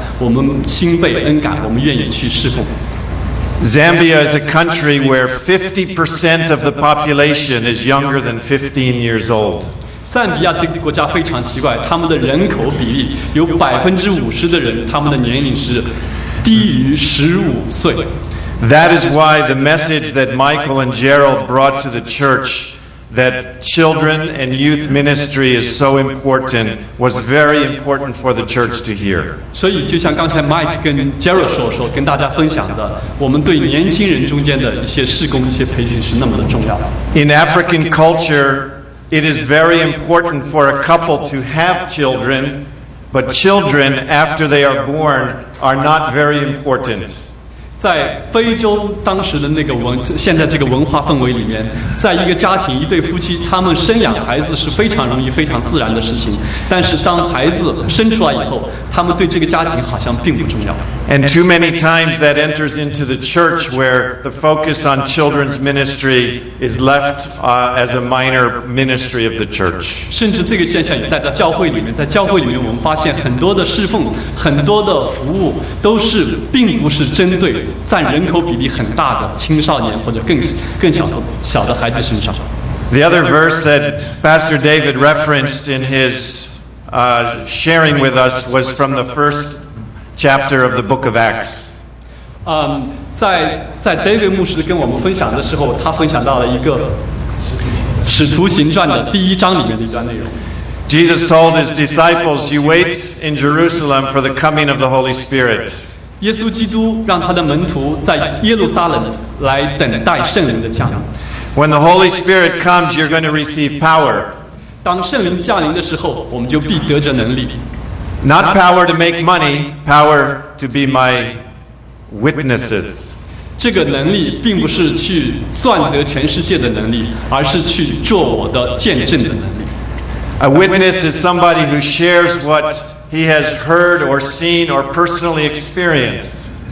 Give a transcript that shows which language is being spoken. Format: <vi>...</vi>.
<zh>就像耶稣基督一样，当我们看到这个世界，看到那么多人的时候，我们的心是不是也像耶稣基督的心一样，我们心被恩感，我们愿意去侍奉。</zh> <en>Zambia is a country where 50% of the population is younger than 15 years old.</en> <zh>赞比亚这个国家非常奇怪，他们的人口比例有50%的人，他们的年龄是低于15岁。</zh> <en>That is why the message that Michael and Gerald brought to the church, that children and youth ministry is so important, was very important for the church to hear.</en> <zh>所以就像刚才Mike跟Jerry所说，跟大家分享的，我们对年轻人中间的一些事工、一些培训是那么的重要。</zh> <en>In African culture, it is very important for a couple to have children, but children after they are born are not very important.</en> <zh>在非洲当时的那个文，现在这个文化氛围里面，在一个家庭，一对夫妻，他们生养孩子是非常容易、非常自然的事情。但是当孩子生出来以后，他们对这个家庭好像并不重要。</zh> <en>And too many times that enters into the church where the focus on children's ministry is left as a minor ministry of the church.</en> <zh>甚至这个现象也带到教会里面，在教会里面，我们发现很多的侍奉、很多的服务都是并不是针对占人口比例很大的青少年或者更小的孩子身上。</zh> <en>The other verse that Pastor David referenced in his sharing with us was from the first chapter of the book of Acts.</en> <zh>在 David 牧师跟我们分享的时候，他分享到了一个《使徒行传》的第一章里面的一段内容。</zh> <en>Jesus told his disciples, "You wait in Jerusalem for the coming of the Holy Spirit."</en> <zh>耶稣基督让他的门徒在耶路撒冷来等待圣灵的降临。</zh> <en>When the Holy Spirit comes, you're going to receive power.</en> <zh>当圣灵降临的时候，我们就必得着能力。</zh> <en>Not power to make money, power to be my witnesses.</en> <zh>这个能力并不是去赚得全世界的能力，而是去做我的见证的能力。</zh> <en>A witness is somebody who shares what he has heard or seen or personally experienced.</en>